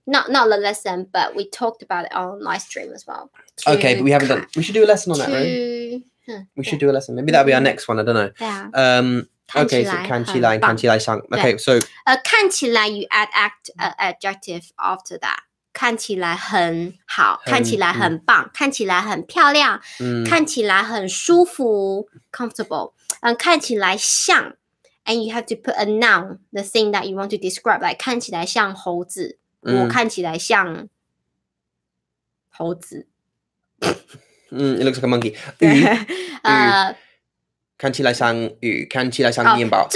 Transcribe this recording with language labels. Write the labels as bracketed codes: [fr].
[en] Not the lesson, but we talked about it on live stream as well. Okay, but we haven't done, we should do a lesson on that, right? We should do a lesson. Maybe that'll be our next one, I don't know. Okay, so 看起来, 看起来像, okay, so 看起来, you add adjective after that. [zh] 看起来很好, 看起来很棒, 看起来很漂亮, 看起来很舒服, comfortable. 看起来像, and you have to put a noun, the thing that you want to describe, like 看起来像猴子, 我看起来像猴子。 [en] It looks like a monkey. [zh] 鱼, 看起来像鱼, 看起来像面包。